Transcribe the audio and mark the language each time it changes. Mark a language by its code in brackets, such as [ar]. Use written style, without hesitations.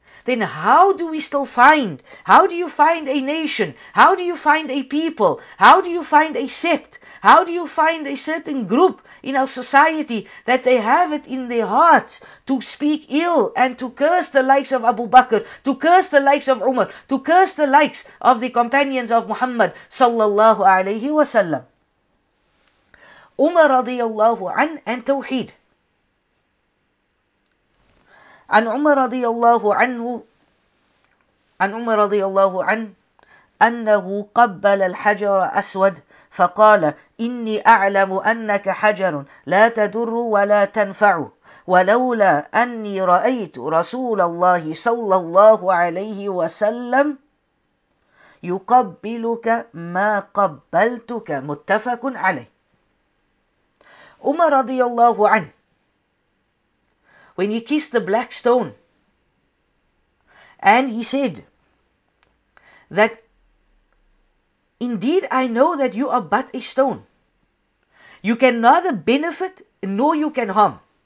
[en] Then how do we still find, how do you find a nation, how do you find a people, how do you find a sect, how do you find a certain group in our society that they have it in their hearts to speak ill and to curse the likes of Abu Bakr, to curse the likes of Umar, to curse the likes of the companions of Muhammad sallallahu alayhi wa sallam. Umar radiallahu anhu and Tawheed. [ar] عن عمر رضي الله عنه عن عمر رضي الله عنه أنه قبل الحجر أسود فقال إني أعلم أنك حجر لا تدر ولا تنفع ولولا أني رأيت رسول الله صلى الله عليه وسلم يقبلك ما قبلتك متفق عليه. [en] عمر [ar] رضي الله عنه, [en] when he kissed the black stone and he said that indeed I know that you are but a stone. You can neither benefit nor you can harm.